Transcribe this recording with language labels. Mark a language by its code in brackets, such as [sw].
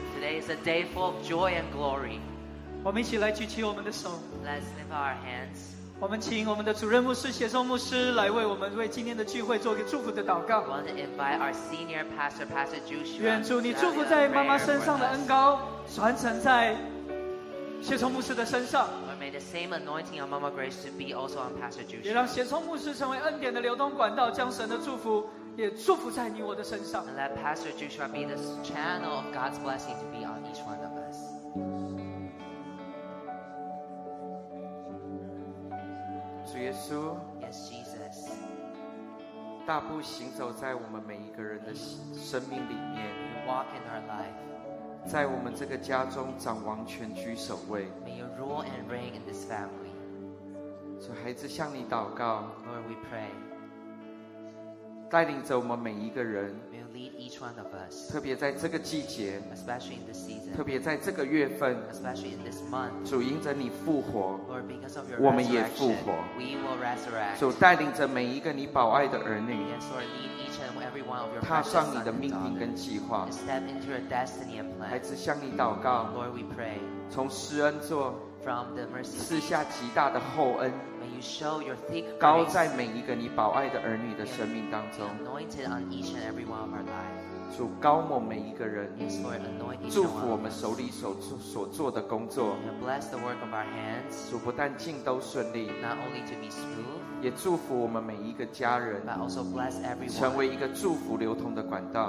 [en] Today is a day full of joy and glory. [zh] 我们一起来举起我们的手。 [en] Let's lift our hands. [zh] 我们请我们的主任牧师、协众牧师来为我们为今天的聚会做个祝福的祷告。 [en] We want to invite our senior pastor, Pastor Joshua. [zh] 愿主你祝福在妈妈身上的恩膏传承在协众牧师的身上。 [en] Lord, may the same anointing of Mama Grace to be also on Pastor Joshua. [zh] 也让协众牧师成为恩典的流动管道，将神的祝福。也祝福在你我的身上。 [en] And let Pastor Joshua be the channel of God's blessing to be on each one of us. [zh] 主耶稣。 [en] Yes, Jesus. [zh] 大步行走在我们每一个人的生命里面。 [en] You walk in our life. [zh] 在我们这个家中掌王权居首位。 [en] May you rule and reign in this family. [zh] 主孩子向你祷告。 [en] Lord, we pray. [zh] 带领着我们每一个人 [en] May you lead each one of us, [zh] 特别在这个季节 [en] especially in this season, [zh] 特别在这个月份 [en] especially in this month, [zh] 主因着你复活 [en] Lord, because of your [zh] 我们也复活 [en] we will resurrect. [zh] 主带领着每一个你宝爱的儿女 [en] yes, Lord, lead each and every one of your [zh] 踏上你的命定跟计划 [en] to step into your destiny and plan. [zh] 孩子向你祷告 [en] Lord, we pray. [zh] 从施恩座 [en] from the mercy [zh] 赐下极大的厚恩 [en] May you show your thick grace, [zh] 高在每一个你宝爱的儿女的生命当中 [en] be anointed on each and every one of our lives. [zh] 主高抹每一个人 [en] yes, Lord, anoint each [zh] 祝福我们手里 所做的工作 [en] you bless the work of our hands, [zh] 主不但尽都顺利 [en] not only to be smooth, [zh] 也祝福我们每一个家人 [en] but also bless everyone, [zh] 成为一个祝福流通的管道